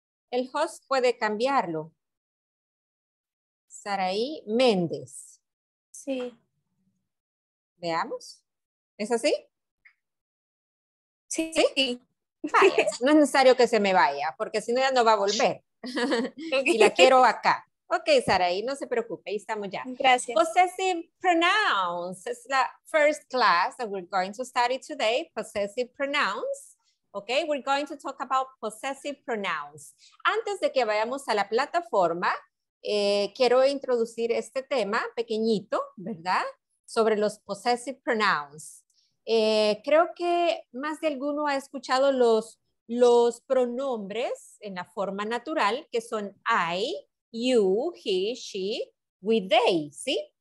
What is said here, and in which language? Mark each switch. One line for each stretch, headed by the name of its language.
Spanish: El host puede cambiarlo. Saraí Méndez. Sí. Veamos. ¿Es así? Sí. ¿Sí? Vaya, no es necesario que se me vaya, porque si no ya no va a volver. Okay. Y la quiero acá. Ok, Saraí, no se preocupe, ahí estamos ya. Gracias.
English: Possessive pronouns.
Spanish: Es la
English: first class that we're going to study today. Possessive pronouns. Okay, we're going to talk about possessive pronouns.
Spanish: Antes de que vayamos a la plataforma, quiero introducir este tema pequeñito, ¿verdad? Sobre los possessive pronouns. Creo que más de alguno ha escuchado los pronombres en la forma natural, que son
English: I, you, he, she, we, they,
Spanish: ¿sí?